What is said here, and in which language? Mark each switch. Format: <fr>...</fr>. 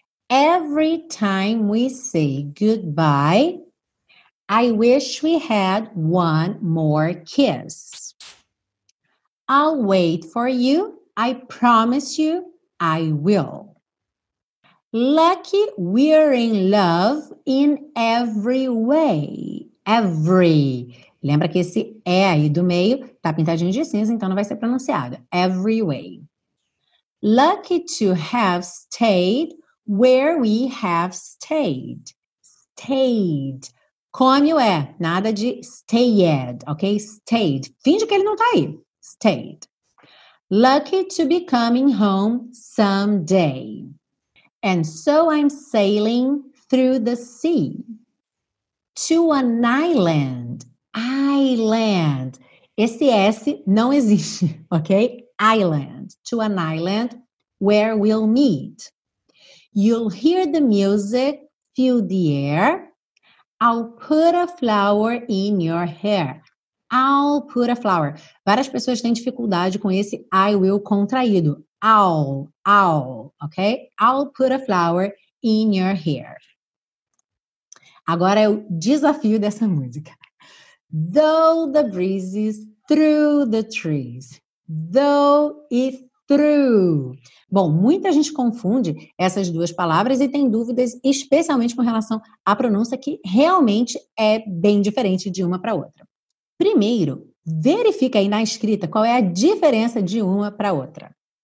<en>Every time we say goodbye, I wish we had one more kiss. I'll wait for you. I promise you, I will. Lucky we're in love in every way. Every.</en> <pt>Lembra que esse E aí do meio tá pintadinho de cinza, então não vai ser pronunciado.</pt> <en>Every way. Lucky to have stayed where we have stayed.</en> <pt>Stayed.</pt> <en>Come you are.</en> <pt>Nada de stayed, okay? Stayed. Finge que ele não tá aí. Stayed.</pt> <en>Lucky to be coming home someday. And so I'm sailing through the sea to an island.</en> <pt>Island. Esse S não existe, okay? Island.</pt> <en>To an island where we'll meet. You'll hear the music, feel the air. I'll put a flower in your hair. I'll put a flower.</en> <pt>Várias pessoas têm dificuldade com esse I will contraído.</pt> <en>I'll, ok? I'll put a flower in your hair.</en> <pt>Agora é o desafio dessa música.</pt> <en>Though the breezes through the trees. Though e through.</en> <pt>Bom, muita gente confunde essas duas palavras e tem dúvidas, especialmente com relação à pronúncia, que realmente é bem diferente de uma para outra. Primeiro, verifica aí na escrita qual é a diferença de uma para outra.</pt>